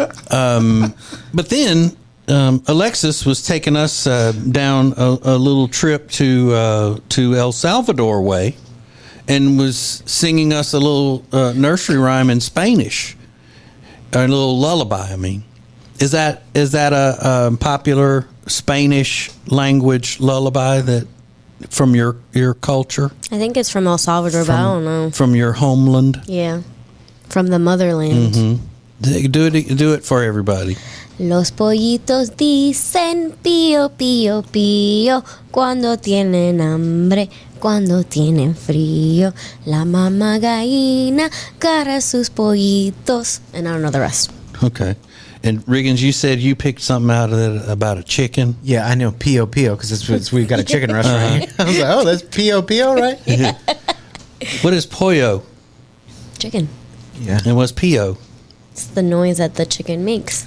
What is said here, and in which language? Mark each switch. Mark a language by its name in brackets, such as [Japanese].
[English] But then Alexis was taking us down a little trip to El Salvador way and was singing us a little nursery rhyme in Spanish, a little lullaby, I mean. Is that a popular Spanish language lullaby that from your culture? I think it's from El Salvador, but I don't know. From your homeland? Yeah, from the motherland. Mm-hmm. Do it for everybody. [Spanish] Los pollitos dicen pío, pío, pío, cuando tienen hambre, cuando tienen frío. La mamá gallina cara sus pollitos. [English] And I don't know the rest. Okay. And Riggins, you said you picked something out of it about a chicken. Yeah, I know Pio Pio because we've got a chicken restaurant. Uh-huh. I was like, oh, that's Pio Pio, right? Yeah. What is pollo? Chicken. Yeah. And what's Pio? It's the noise that the chicken makes.